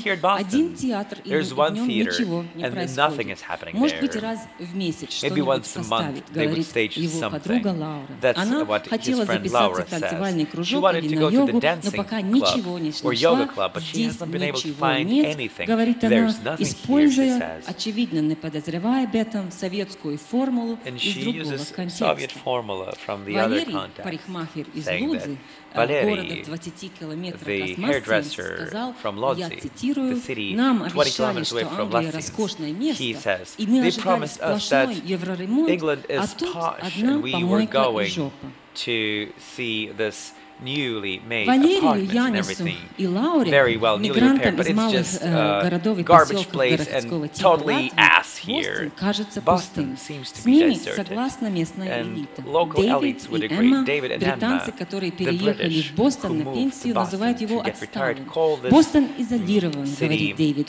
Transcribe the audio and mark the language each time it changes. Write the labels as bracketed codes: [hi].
[en] Here in Boston, there's one theater, and nothing is happening there. Maybe once a month, they would stage something. That's what his friend Laura says. She wanted to go to the dancing club or yoga club, but she hasn't been able to find anything. [ru] Говорит она, используя, очевидно, не подозревая об этом, советскую формулу из другого контекста. Валерий, парикмахер из Лудзи, города 20 километров от Мастинска, сказал, я цитирую, нам обещали, что Англия роскошное место, и мы ожидали сплошной евроремонт, а тут одна помойка и жопа. [en] Newly made apartments and everything, very well newly repaired, but it's just garbage place and totally ass here. Boston seems to be deserted, and local elites would agree. David and Emma, the British who moved to Boston to get retired, call this city,